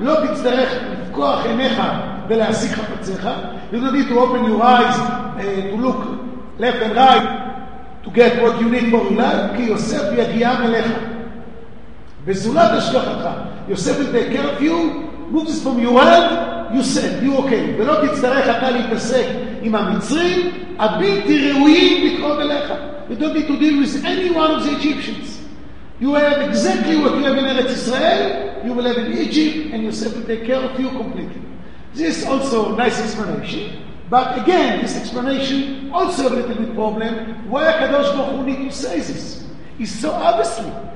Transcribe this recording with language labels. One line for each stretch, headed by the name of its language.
Hebrew: Lo Titzterech Lefkoach Enecha Velehasik Hapatzecha.
English: You don't need to open your eyes to look left and right to get what you need for your life.
Hebrew: Ki Yosef Yagiyam Elecha. בזולת השגחתך,
English: יוסף will take care of you, move this from your head, you said, you okay.
Hebrew: ולא תצטרך אתה להתעסק עם המצרים, הבלתי ראויים לקרוב אליך.
English: You don't need to deal with any one of the Egyptians. You have exactly what you have in Eretz Israel, you will have in Egypt, and Yosef will take care of you completely. This is also a nice explanation, but again, this explanation also a little bit problem. Why HaKadosh Baruch Hu need to say this? It's so obviously.